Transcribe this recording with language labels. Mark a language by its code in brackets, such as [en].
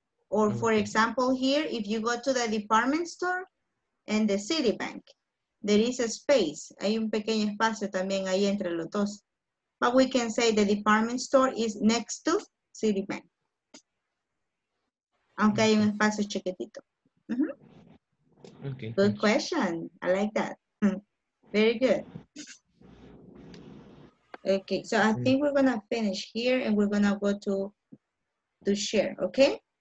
[en] Or for example, here, if you go to the department store and the Citibank, there is a space. [es] Hay un pequeño espacio también ahí entre los dos. [en] But we can say the department store is next to Citibank. [es] Aunque hay un espacio chiquitito. [en] Okay. Good question. I like that. Very good. Okay, so I think we're going to finish here and we're going to go to share, okay?